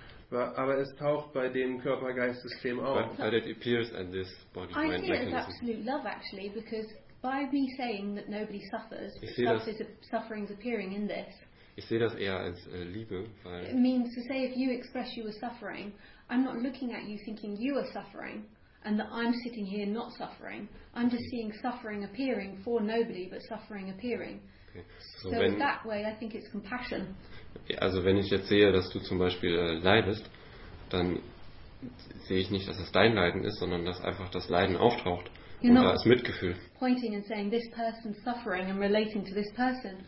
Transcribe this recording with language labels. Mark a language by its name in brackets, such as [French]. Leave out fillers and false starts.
[German] Aber es taucht bei dem Körper-Geist-System auf. [English] But it appears at this body-mind mechanism. I see it as absolute love, actually, because by me saying that nobody suffers, suffering is appearing in this. [German] Ich sehe das eher als Liebe, weil... [English] It means to say if you express you are suffering, I'm not looking at you thinking you are suffering, and that I'm sitting here not suffering. I'm just seeing suffering appearing for nobody, but suffering appearing. Okay. So in that way, I think it's compassion. [German] Also wenn ich jetzt sehe, dass du zum Beispiel leidest, dann sehe ich nicht, dass das dein Leiden ist, sondern dass einfach das Leiden auftaucht. [English] You're [German] und da ist Mitgefühl. [English] Pointing and saying this person suffering and relating to this person.